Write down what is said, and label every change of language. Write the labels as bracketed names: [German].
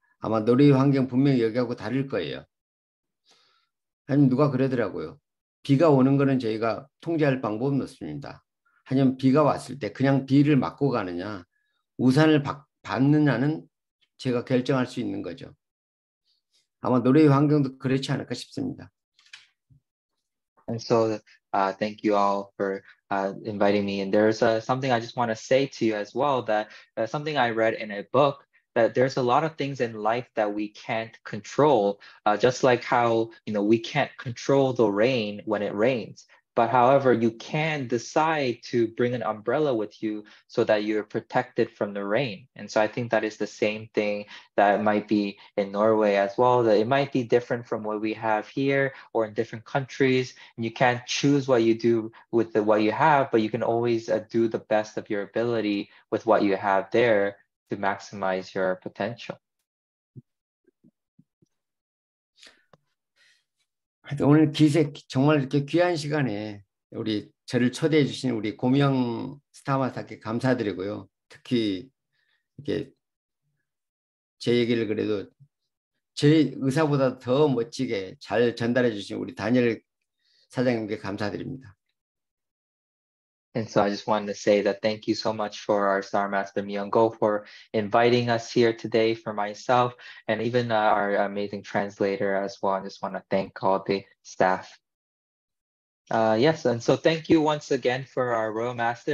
[Korean] 아마 노르웨이 환경 분명히 여기하고 다를 거예요. 하지만 누가 그러더라고요. 비가 오는 거는 저희가 통제할 방법은 없습니다. 하지만 비가 왔을 때 그냥 비를 맞고 가느냐 우산을 받느냐는 제가 결정할 수 있는 거죠. 아마 노르웨이 환경도 그렇지 않을까 싶습니다. [English] And so thank you all for inviting me. And there's something I just want to say to you as well, that something I read in a book, that there's a lot of things in life that we can't control, just like how, you know, we can't control the rain when it rains. But however, you can decide to bring an umbrella with you so that you're protected from the rain. And so I think that is the same thing that might be in Norway as well, that it might be different from what we have here or in different countries. And you can't choose what you do with what you have, but you can always do the best of your ability with what you have there to maximize your potential. [Korean] 오늘 기세 정말 이렇게 귀한 시간에 우리 저를 초대해 주신 우리 고명 스타마사께 감사드리고요. 특히 이렇게 제 얘기를 그래도 제 의사보다 더 멋지게 잘 전달해 주신 우리 다니엘 사장님께 감사드립니다. [English] And so I just wanted to say that thank you so much for our Star Master Myeong-go for inviting us here today for myself and even our amazing translator as well. I just want to thank all the staff. Yes, and so thank you once again for our Royal Master.